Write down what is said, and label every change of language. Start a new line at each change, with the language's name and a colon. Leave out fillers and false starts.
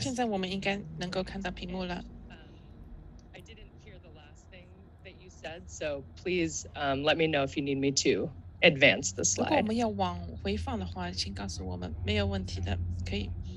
Chinese: 现在我们应该能够看到屏幕了。
English: I didn't hear the last thing that you said, so please let me know if you need me to advance the slide.
Chinese: 如果我们要往回放的话，请告诉我们，没有问题的，可以。